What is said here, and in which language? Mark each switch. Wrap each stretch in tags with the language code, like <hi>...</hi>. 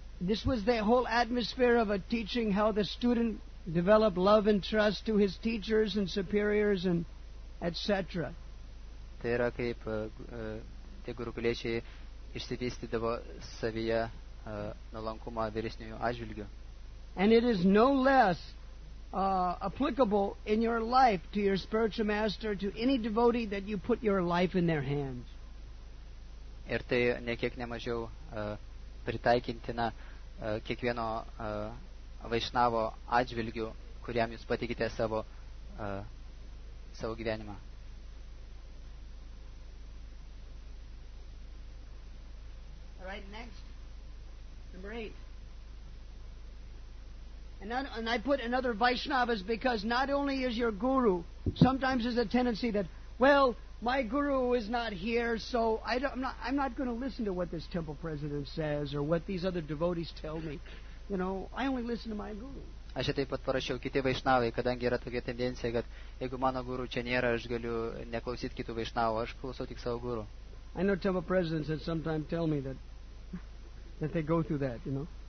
<en>This was the whole atmosphere of a teaching, how the student developed love and trust to his teachers and superiors and etc.</en> <lt>Tai yra kaip tie gurukuliečiai išsivystydavo savyje nuolankumą vyresniųjų atžvilgiu.</lt> <en>And it is no less applicable in your life to your spiritual master, to any devotee that you put your life in their hands.</en> <lt>Ir tai ne kiek nemažiau pritaikintina kiekvieno vaišnavo atžvilgiu, kuriam jūs patikite savo gyvenimą.</lt> <en>All right, next. Number eight. And I put another Vaishnavas because not only is your guru, sometimes there's a tendency that, well, my guru is not here, so I'm not going to listen to what this temple president says or what these other devotees tell me. You know, I only listen to my guru.</en> <lt>Aš taip pat parašiau kiti Vaishnavai, kadangi yra tokia tendencija, kad jeigu mano guru čia nėra, aš galiu neklausyti kitų Vaishnavų, aš klausau tik savo guru.</lt> <en>I know temple presidents that sometimes tell me that they go through that, you know.</en>